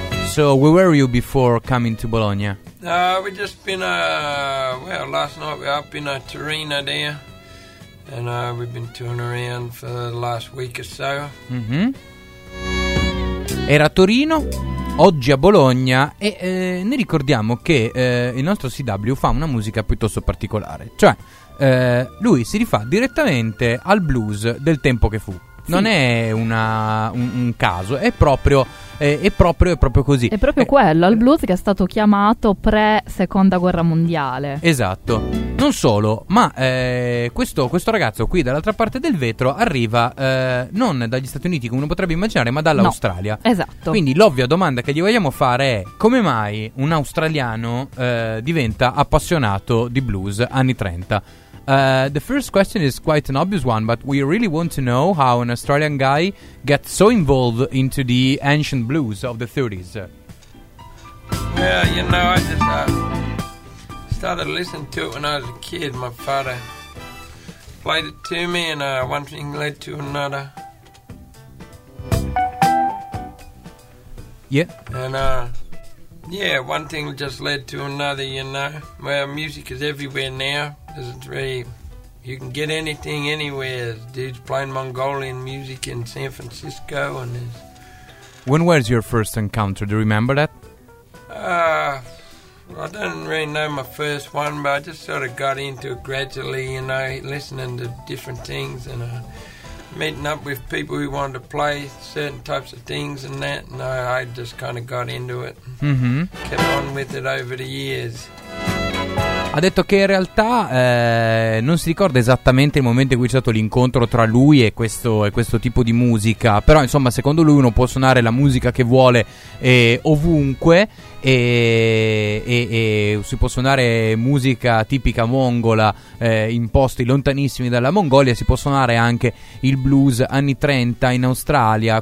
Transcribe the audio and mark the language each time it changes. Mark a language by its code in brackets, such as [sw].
[en] So, where were you before coming to Bologna? Last night we were up in Torino there. And we've been touring around for the last week or so. [it] Mm-hmm. Era Torino, oggi a Bologna. E ne ricordiamo che il nostro CW fa una musica piuttosto particolare. Cioè, lui si rifà direttamente al blues del tempo che fu. Sì. Non è un caso, è proprio così. È proprio quello, il blues che è stato chiamato pre-seconda guerra mondiale. Esatto. Non solo, ma questo ragazzo qui dall'altra parte del vetro arriva non dagli Stati Uniti come uno potrebbe immaginare, ma dall'Australia. No, esatto. Quindi l'ovvia domanda che gli vogliamo fare è: come mai un australiano diventa appassionato di blues anni 30? [en] The first question is quite an obvious one, but we really want to know how an Australian guy gets so involved into the ancient blues of the 30s. Well, you know, I just started listening to it when I was a kid. My father played it to me, and one thing led to another. Yeah. And, one thing just led to another, you know. Well, music is everywhere now. Isn't really, you can get anything anywhere. Dude's playing Mongolian music in San Francisco, and there's... When was your first encounter? Do you remember that? I don't really know my first one, but I just sort of got into it gradually, you know, listening to different things and meeting up with people who wanted to play certain types of things and that, and I just kind of got into it. Mm-hmm. Kept on with it over the years. [it] Ha detto che in realtà non si ricorda esattamente il momento in cui c'è stato l'incontro tra lui e questo tipo di musica, però insomma secondo lui uno può suonare la musica che vuole ovunque, e si può suonare musica tipica mongola in posti lontanissimi dalla Mongolia, si può suonare anche il blues anni 30 in Australia.